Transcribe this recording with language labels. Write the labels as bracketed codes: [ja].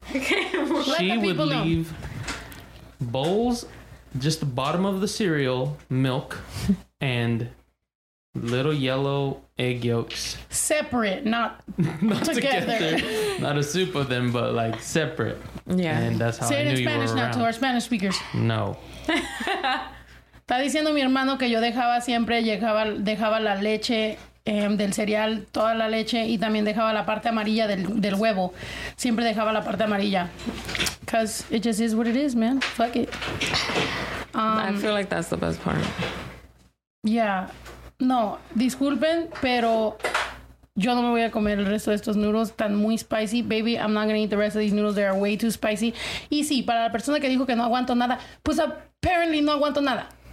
[en] She would leave bowls, just the bottom of the cereal, milk, and little yellow egg yolks. Separate, not, not together. Not a soup of them, but like separate. Yeah. And that's how say I knew Spanish, you were around. Say it in Spanish, not to our Spanish speakers. No. [es] Está diciendo mi hermano que yo dejaba siempre, dejaba la leche... del cereal, toda la leche y también dejaba la parte amarilla del huevo. Siempre dejaba la parte amarilla. [en] Because it just is what it is, man. Fuck it. I feel like that's the best part. Yeah. [es] No, disculpen, pero Yo no me voy a comer el resto de estos noodles. Están muy spicy. [en] Baby, I'm not going to eat the rest of these noodles. They are way too spicy. [es] Y sí, para la persona que dijo que no aguanto nada, pues apparently no aguanto nada.